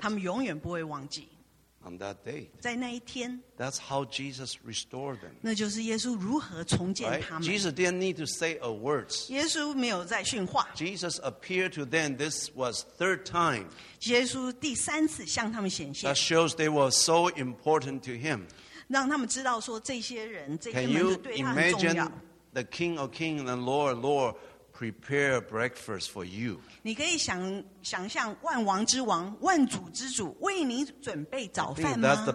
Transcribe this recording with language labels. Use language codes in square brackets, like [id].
[zh] 他们永远不会忘记, [en] on that day. [zh] 在那一天, [en] that's how Jesus restored them. [zh] 那就是耶稣如何重建他们, [en] right? Jesus didn't need to say a word. [zh] 耶稣没有再训话, [en] Jesus appeared to them. This was third time. [zh] 耶稣第三次向他们显现, [en] that shows they were so important to him. [zh] 让他们知道说这些人, [en] can you imagine the King of Kings and the Lord of Lords prepare breakfast for you? [zh] 你可以想象万王之王, 万主之主, 为你准备早饭吗?